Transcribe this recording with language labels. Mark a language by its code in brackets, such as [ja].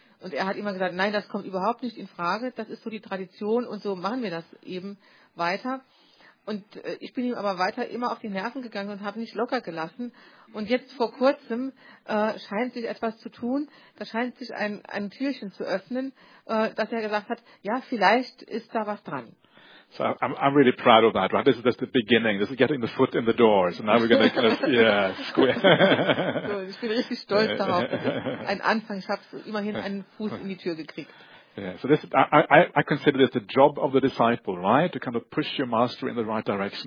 [de] Und er hat immer gesagt, nein, das kommt überhaupt nicht in Frage, das ist so die Tradition und so machen wir das eben weiter. Und ich bin ihm aber weiter immer auf die Nerven gegangen und habe nicht locker gelassen. Und jetzt vor kurzem scheint sich etwas zu tun, da scheint sich ein Türchen zu öffnen, dass er gesagt hat, ja, vielleicht ist da was dran. [en] So I'm really proud of that, right? This is just the beginning. This is getting the foot in the door. So now we're going to kind of, square. [de] Ich bin richtig stolz darauf. Ein Anfang. Ich habe immerhin einen Fuß in die Tür gekriegt. [en] Yeah, so this I consider this the job of the disciple, right? To kind of push your master in the right direction.